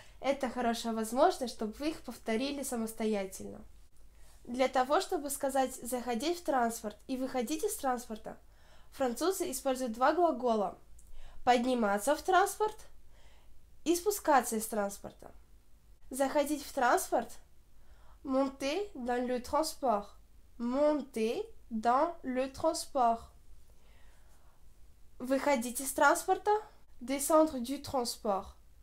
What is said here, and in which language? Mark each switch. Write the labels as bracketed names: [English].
[Russian] Это хорошая возможность, чтобы вы их повторили самостоятельно. Для того, чтобы сказать «заходить в транспорт» и «выходить из транспорта», французы используют два глагола «подниматься в транспорт» и «спускаться из транспорта». «Заходить в транспорт» [French] – «monter dans le transport». «Monter dans le transport». [Russian] «Выходить из транспорта» – [French] «descendre du transport».